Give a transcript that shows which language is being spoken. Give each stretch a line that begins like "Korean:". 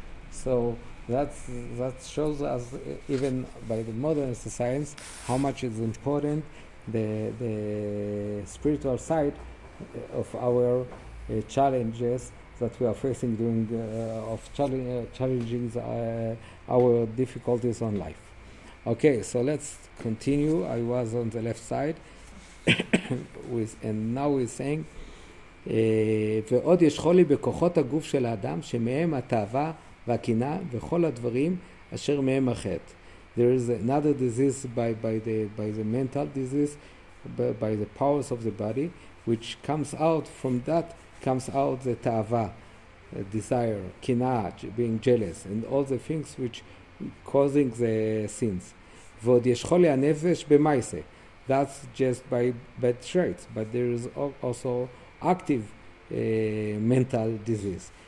English: So that shows us even by the modern science how much is important the spiritual side of our challenges that we are facing during challenging our difficulties on life. Okay, so let's continue. I was on the left side, and now we're saying,
Hebrew: ועוד יש חולי בכוחות הגוף של האדם שמהם התאווה והקינה וכל הדברים אשר מהם החטא.
English: There is another disease by the mental disease, by the powers of the body, which comes out from that, comes out the תאווה, desire, קינה, being jealous, and all the things which causing the sins.
Hebrew: ועוד יש חולי הנפש במייסה.
English: That's just by bad traits, but there is also active mental disease.